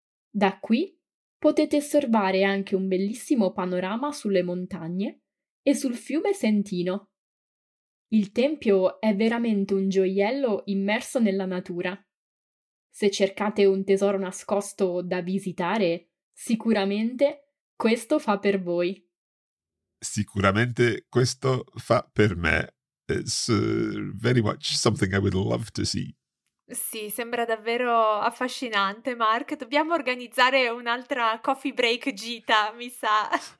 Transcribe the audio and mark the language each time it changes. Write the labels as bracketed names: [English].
[Italian] Da qui potete osservare anche un bellissimo panorama sulle montagne e sul fiume Sentino. Il tempio è veramente un gioiello immerso nella natura. Se cercate un tesoro nascosto da visitare, sicuramente questo fa per voi. Sicuramente questo fa per me. [English] It's very much something I would love to see. [Italian] Sì, sembra davvero affascinante, Mark. Dobbiamo organizzare un'altra coffee break gita, mi sa.